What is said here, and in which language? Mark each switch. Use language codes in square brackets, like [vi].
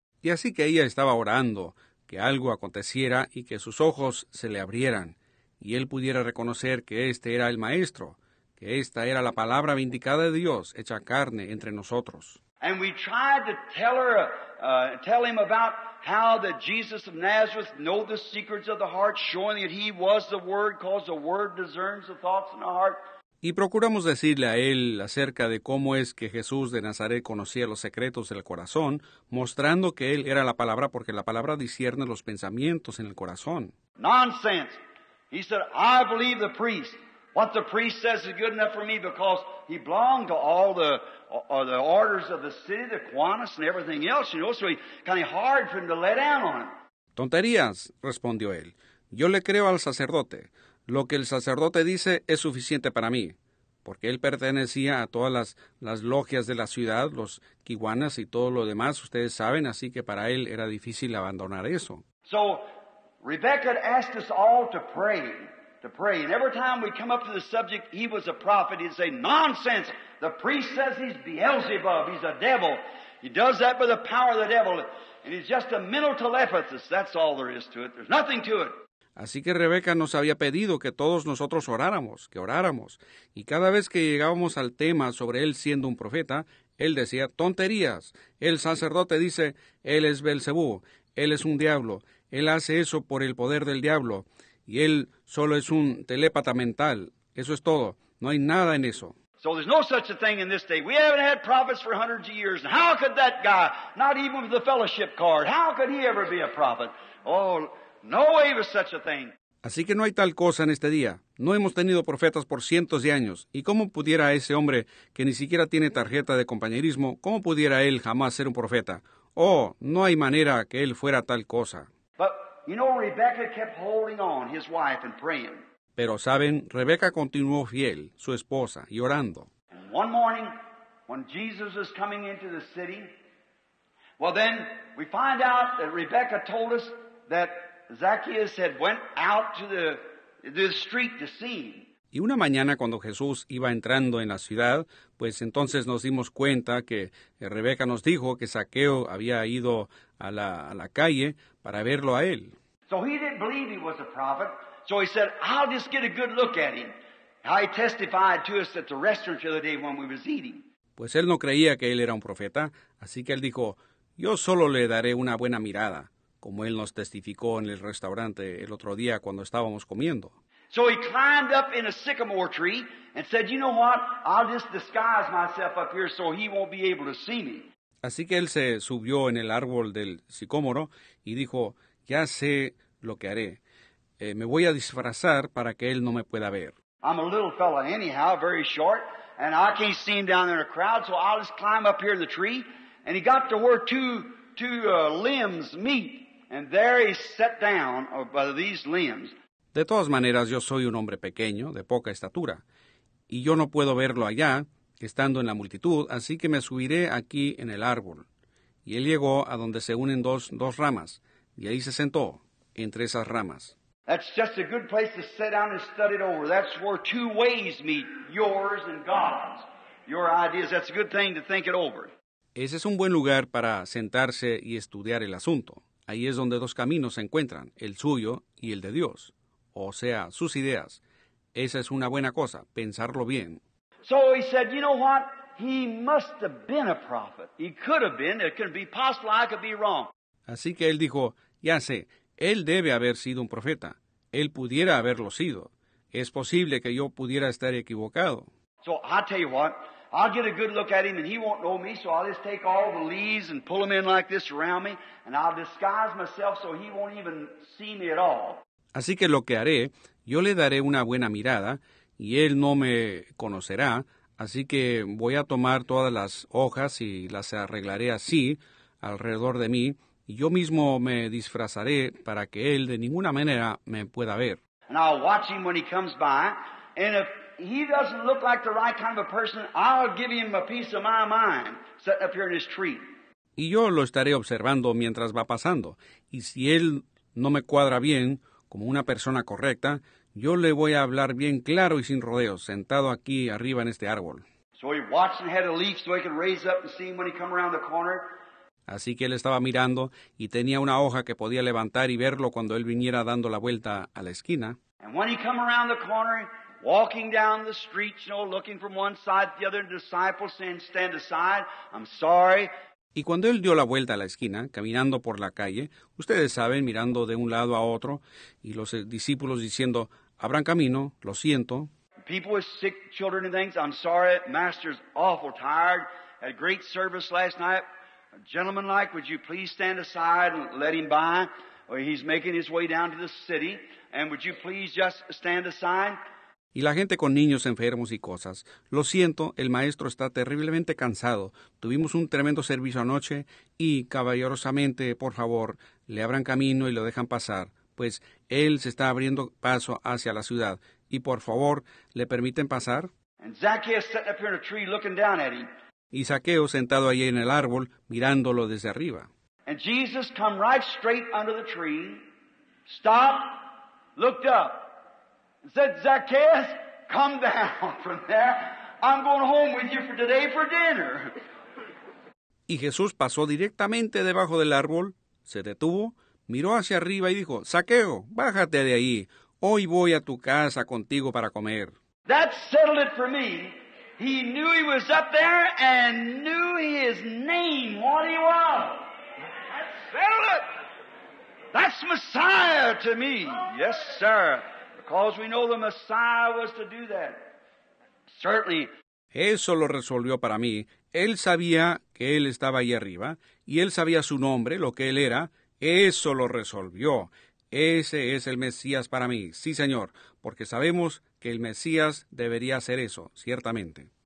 [es] Y así que ella estaba orando que algo aconteciera y que sus ojos se le abrieran y él pudiera reconocer que este era el Maestro, que esta era la palabra vindicada de Dios hecha carne entre nosotros. [en] And we tried to tell him about how that Jesus of Nazareth knew the secrets of the heart, showing that he was the Word, because the Word discerns the thoughts in the heart. [es] Y procuramos decirle a él acerca de cómo es que Jesús de Nazaret conocía los secretos del corazón, mostrando que él era la palabra porque la palabra discierne los pensamientos en el corazón. [en] Nonsense. He said, I believe the priest. What the priest says is good enough for me because he belonged to all the orders of the city, the Kiwanis and everything else, you know, so he kind of hard for him to let down on it. [es] Tonterías, respondió él. Yo le creo al sacerdote. Lo que el sacerdote dice es suficiente para mí, porque él pertenecía a todas las logias de la ciudad, los Kiwanis y todo lo demás, ustedes saben, así que para él era difícil abandonar eso. [en] So, Rebecca asked us all to pray, and every time we come up to the subject, he was a prophet, he'd say, nonsense, the priest says he's Beelzebub, he's a devil, he does that by the power of the devil, and he's just a mental telepathy, that's all there is to it, there's nothing to it. [es] Así que Rebeca nos había pedido que todos nosotros oráramos, que oráramos. Y cada vez que llegábamos al tema sobre él siendo un profeta, él decía, tonterías. El sacerdote dice, él es Belcebú, él es un diablo, él hace eso por el poder del diablo, y él solo es un telépata mental. Eso es todo. No hay nada en eso. [en] So there's no such a thing in this day. We haven't had prophets for hundreds of years. How could that guy, not even with the fellowship card, how could he ever be a prophet? Oh, no way was such a thing. [es] Así que no hay tal cosa en este día. No hemos tenido profetas por cientos de años. ¿Y cómo pudiera ese hombre, que ni siquiera tiene tarjeta de compañerismo, cómo pudiera él jamás ser un profeta? Oh, no hay manera que él fuera tal cosa. [en] But, you know, Rebecca kept holding on, his wife, and praying. [es] Pero, ¿saben? Rebeca continuó fiel, su esposa, y orando. [en] And one morning, when Jesus was coming into the city, well then, we find out that Rebecca told us that Zacchaeus had went out to the street to see him. [es] Y una mañana cuando Jesús iba entrando en la ciudad, pues entonces nos dimos cuenta que Rebeca nos dijo que Zaqueo había ido a la calle para verlo a él. [en] So he didn't believe he was a prophet. So he said, I'll just get a good look at him. I testified to us at the restaurant the other day when we was eating. [es] Pues él no creía que él era un profeta, así que él dijo, yo solo le daré una buena mirada, como él nos testificó en el restaurante el otro día cuando estábamos comiendo. [en] So he climbed up in a sycamore tree and said, you know what, I'll just disguise myself up here so he won't be able to see me. [es] Así que él se subió en el árbol del sicómoro y dijo, ya sé lo que haré. Me voy a disfrazar para que él no me pueda ver. [en] I'm a little fella anyhow, very short, and I can't see him down there in a crowd, so I'll just climb up here in the tree. And he got to where two limbs meet, and there he sat down by these limbs. [es] De todas maneras, yo soy un hombre pequeño, de poca estatura, y yo no puedo verlo allá, estando en la multitud, así que me subiré aquí en el árbol. Y él llegó a donde se unen dos ramas, y ahí se sentó. entre esas ramas. [en] That's just a good place to sit down and study it over. That's where two ways meet, yours and God's. Your ideas, that's a good thing to think it over. [es] Ese es un buen lugar para sentarse y estudiar el asunto. Ahí es donde dos caminos se encuentran, el suyo y el de Dios. O sea, sus ideas. Esa es una buena cosa, pensarlo bien. [en] So he said, you know what? He must have been a prophet. He could have been. It could be possible. I could be wrong. [es] Así que él dijo, ya sé, él debe haber sido un profeta. Él pudiera haberlo sido. Es posible que yo pudiera estar equivocado. [en] So I tell you what, I'll get a good look at him and he won't know me, so I'll just take all the leaves and pull them in like this around me and I'll disguise myself so he won't even see me at all. [es] Así que lo que haré, yo le daré una buena mirada y él no me conocerá, así que voy a tomar todas las hojas y las arreglaré así alrededor de mí y yo mismo me disfrazaré para que él de ninguna manera me pueda ver. [en] And I'll watch him when he comes by and if he doesn't look like the right kind of a person, I'll give him a piece of my mind sitting up here in his tree. [es] Y yo lo estaré observando mientras va pasando. Y si él no me cuadra bien como una persona correcta, yo le voy a hablar bien claro y sin rodeos, sentado aquí arriba en este árbol. [en] So he watched and had a leaf so he could raise up and see him when he come around the corner. [es] Así que él estaba mirando y tenía una hoja que podía levantar y verlo cuando él viniera dando la vuelta a la esquina. [en] And when he come around the corner, walking down the street, you know, looking from one side to the other, and disciples saying, stand aside, I'm sorry. [es] Y cuando él dio la vuelta a la esquina, caminando por la calle, ustedes saben, mirando de un lado a otro, y los discípulos diciendo, abran camino, lo siento. [en] People with sick children and things, I'm sorry, master's awful tired, had a great service last night. A gentleman like, would you please stand aside and let him by? Well, he's making his way down to the city, and would you please just stand aside? [es] Y la gente con niños enfermos y cosas. Lo siento, el maestro está terriblemente cansado. Tuvimos un tremendo servicio anoche y caballerosamente, por favor, le abran camino y lo dejan pasar, pues él se está abriendo paso hacia la ciudad. Y por favor, ¿le permiten pasar? [en] And Zacchaeus sitting up here in a tree looking down at him. [es] Y Zaqueo sentado allí en el árbol, mirándolo desde arriba. [en] And Jesus come right straight under the tree, stopped, looked up. Said, Zacchaeus, come down from there. I'm going home with you for today for dinner. [es] Y Jesús pasó directamente debajo del árbol, se detuvo, miró hacia arriba y dijo, Zaqueo, bájate de ahí. Hoy voy a tu casa contigo para comer. [en] That settled it for me. He knew he was up there and knew his name, what he was. That settled it. That's Messiah to me. Yes, sir. Because we know the Messiah was to do that. Certainly. [es] Eso lo resolvió para mí. Él sabía que él estaba ahí arriba, y él sabía su nombre, lo que él era. Eso lo resolvió. Ese es el Mesías para mí. Sí, Señor. Porque sabemos que el Mesías debería hacer eso, ciertamente.